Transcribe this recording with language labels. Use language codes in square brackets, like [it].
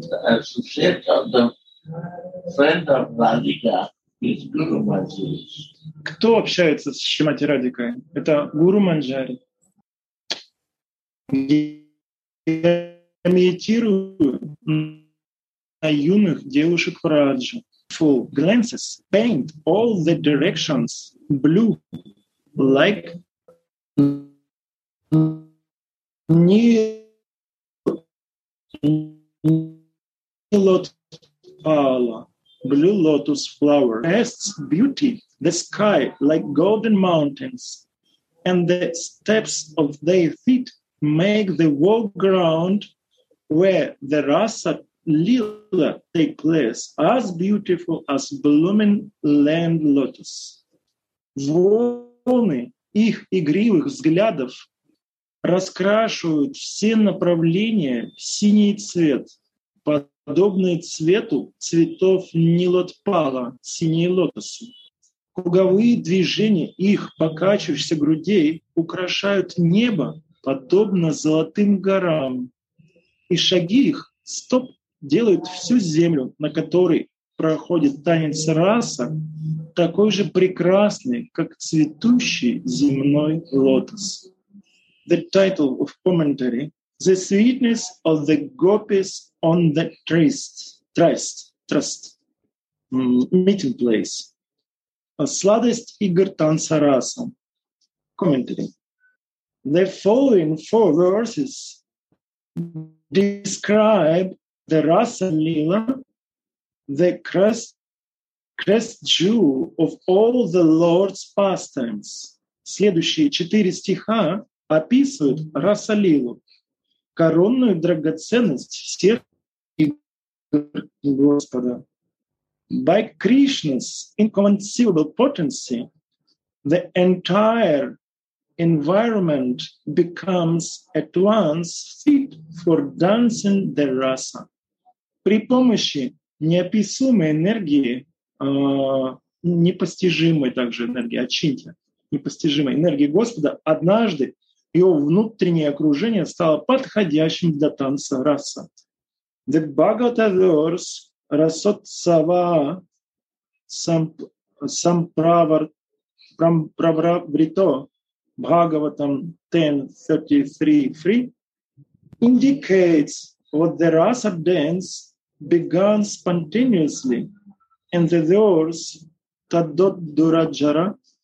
[en] The associate of the friend of Radhika is Guru Manjaris. [ru] Кто общается с Шримати Радикой? Это Гуру Манджари. Я медитирую на юных девушек Раджи. [en] Full glances paint all the directions blue, like new lotus, blue lotus flower. Casts beauty the sky like golden mountains, and the steps of their feet make the world ground where the rasa lila take place as beautiful as blooming land lotus. [ru] Волны их игривых взглядов раскрашивают все направления в синий цвет, подобный цвету цветов нилотпала, синей лотосу. Круговые движения их покачивающихся грудей украшают небо подобно золотым горам, и шаги их стоп делают всю землю, на которой проходит танец раса, такой же прекрасный, как цветущий земной лотос. [en] The title of commentary: The sweetness of the gopis on the tryst meeting place. [ru] Сладость игр танца раса. [en] Commentary. The following four verses describe the Rasa Lila, the crest jewel of all the Lord's pastimes. [ru] Следующие четыре стиха описывают Rasa Lilu, коронную драгоценность всех игр Господа. [en] By Krishna's inconceivable potency, the entire environment becomes at once fit for dancing the rasa. [ru] При помощи неописуемой энергии, непостижимой также энергии, очиньте, непостижимой энергии Господа, однажды его внутреннее окружение стало подходящим для танца раса. [en] The Bhagavata verse Rasotsava Sampravrito Bhagavatam 10.33.3 indicates what the rasa dance began spontaneously, and the verse Tadodurajara